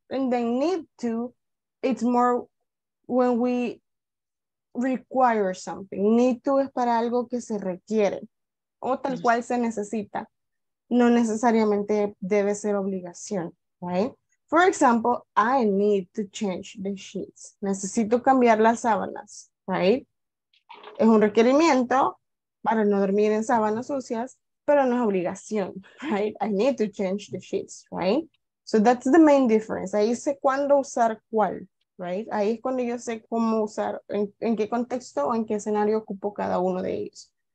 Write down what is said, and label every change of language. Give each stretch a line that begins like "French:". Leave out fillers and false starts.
English: And then need to, it's more when we require something.
Spanish: Need to es para algo que se requiere o tal cual se necesita. No necesariamente debe ser obligación, right?
English: For example, I need to change the sheets.
Spanish: Necesito cambiar las sábanas, right? Es un requerimiento para no dormir en sábanas sucias, pero no es obligación, right?
English: I need to change the sheets, right? So that's the main difference.
Spanish: Ahí sé cuándo usar cuál. Right? Ahí es cuando yo sé cómo usar, en qué contexto o en qué escenario ocupo cada uno de ellos.